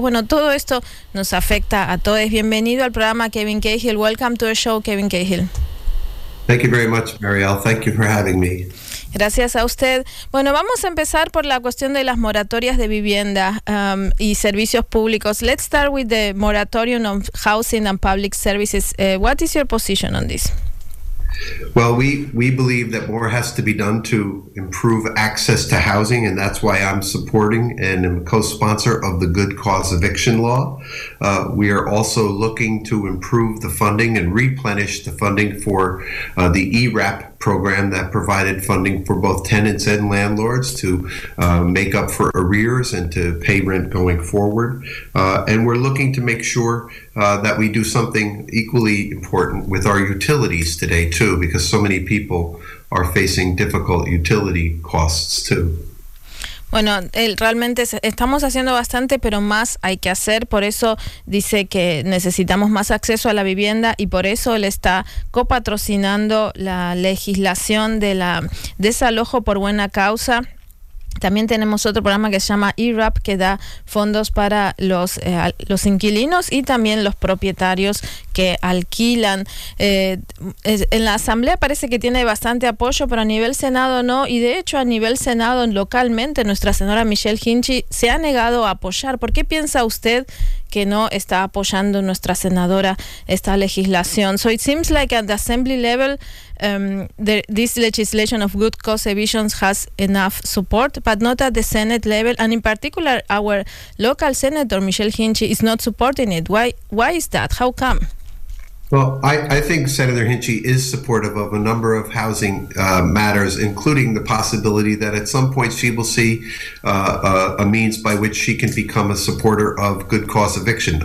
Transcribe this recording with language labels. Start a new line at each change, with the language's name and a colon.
Spanish: Bueno, todo esto nos afecta a todos. Bienvenido al programa, Kevin Cahill.
English: Welcome to the show, Kevin Cahill. Thank you very much, Marielle. Thank you for having me.
Spanish: Gracias a usted. Bueno, vamos a empezar por la cuestión de las moratorias de vivienda y servicios públicos.
English: Let's start with the moratorium on housing and public services. What is your position on this? Well, we believe that more has to be done to improve access to housing, and that's why I'm supporting and am a co-sponsor of the Good Cause Eviction Law. We are also looking to improve the funding and replenish the funding for the ERAP program that provided funding for both tenants and landlords to make up for arrears and to pay rent going forward. And we're looking to make sure that we do something equally important with our utilities today too, because so many people are facing difficult utility costs too.
Spanish: Bueno, realmente estamos haciendo bastante, pero más hay que hacer. Por eso dice que necesitamos más acceso a la vivienda y por eso él está copatrocinando la legislación de la desalojo por buena causa. También tenemos otro programa que se llama ERAP, que da fondos para los inquilinos y también los propietarios que alquilan. En la Asamblea parece que tiene bastante apoyo, pero a nivel Senado no. Y de hecho, a nivel Senado, localmente, nuestra senadora Michelle Hinchey se ha negado a apoyar. ¿Por qué piensa usted que no está apoyando nuestra senadora esta legislación?
English: So it seems like at the assembly level, this legislation of good cause evictions has enough support, but not at the Senate level. And in particular, our local senator, Michelle Hinchey, is not supporting it. Why is that? How come? Well, I think Senator Hinchey is supportive of a number of housing matters, including the possibility that at some point she will see a means by which she can become a supporter of good cause eviction.